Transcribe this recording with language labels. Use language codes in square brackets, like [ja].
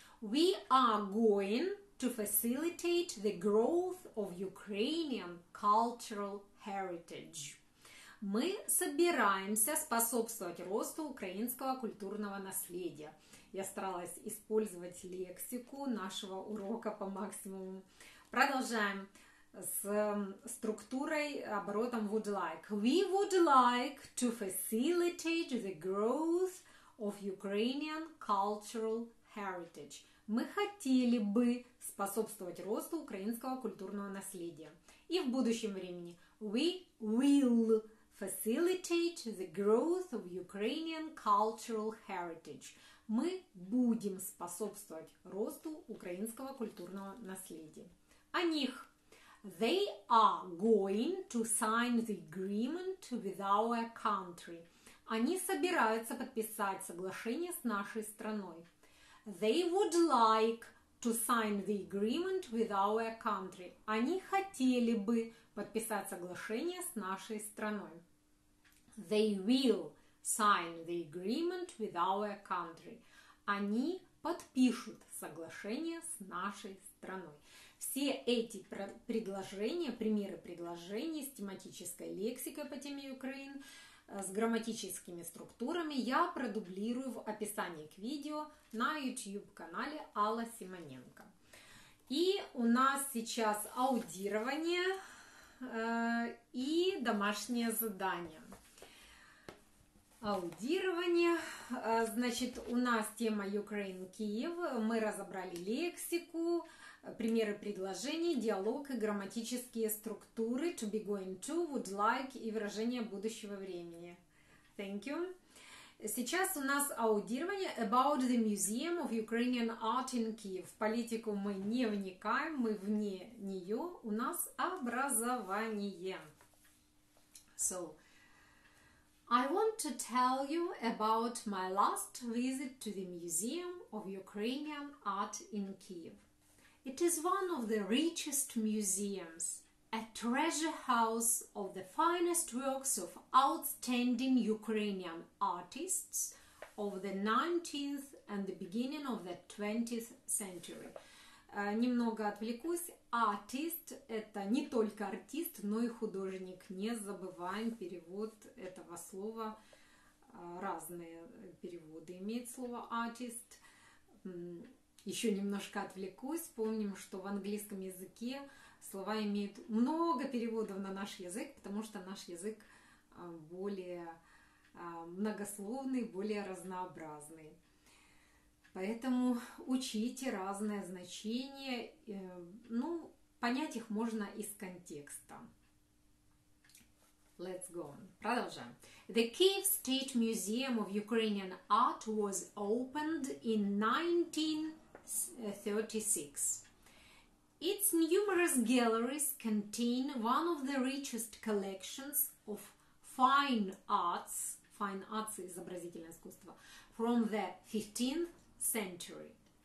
[en] We are going to facilitate the growth of Ukrainian cultural heritage. [ru] Мы собираемся способствовать росту украинского культурного наследия. Я старалась использовать лексику нашего урока по максимуму. Продолжаем с структурой оборотом would like. [en] We would like to facilitate the growth of Ukrainian cultural heritage. [ru] Мы хотели бы способствовать росту украинского культурного наследия. И в будущем времени [en] we will facilitate the growth of Ukrainian cultural heritage. [ru] Мы будем способствовать росту украинского культурного наследия. О них. [en] They are going to sign the agreement with our country. [ru] Они собираются подписать соглашение с нашей страной. [en] They would like to sign the agreement with our country. [ru] Они хотели бы подписать соглашение с нашей страной. [en] They will sign the agreement with our country. [ru] Они подпишут соглашение с нашей страной. Все эти предложения, примеры предложений с тематической лексикой по теме Украин, с грамматическими структурами, я продублирую в описании к видео на YouTube-канале Алла Симоненко. И у нас сейчас аудирование и домашнее задание. Аудирование. Значит, у нас тема Ukraine Kyiv. Мы разобрали лексику, примеры предложений, диалог и грамматические структуры to be going to, would like и выражение будущего времени. [en] Thank you. [ru] Сейчас у нас аудирование [en] about the Museum of Ukrainian Art in Kyiv. [ru] В политику мы не вникаем, мы вне нее. У нас образование. [en] So, I want to tell you about my last visit to the Museum of Ukrainian Art in Kyiv. It is one of the richest museums, a treasure house of the finest works of outstanding Ukrainian artists of the 19th and the beginning of the 20th century. [ru] немного отвлекусь. Артист – это не только артист, но и художник. Не забываем перевод этого слова. Разные переводы имеют слово артист. Еще немножко отвлекусь. Помним, что в английском языке слова имеют много переводов на наш язык, потому что наш язык более многословный, более разнообразный. Поэтому учите разное значение, ну, понять их можно из контекста. [en] Let's go on. [ru] Продолжаем. [en] The Kyiv State Museum of Ukrainian Art was opened in 1936. Its numerous galleries contain one of the richest collections of fine arts, [ru] изобразительное искусство, [en] from the 15th century.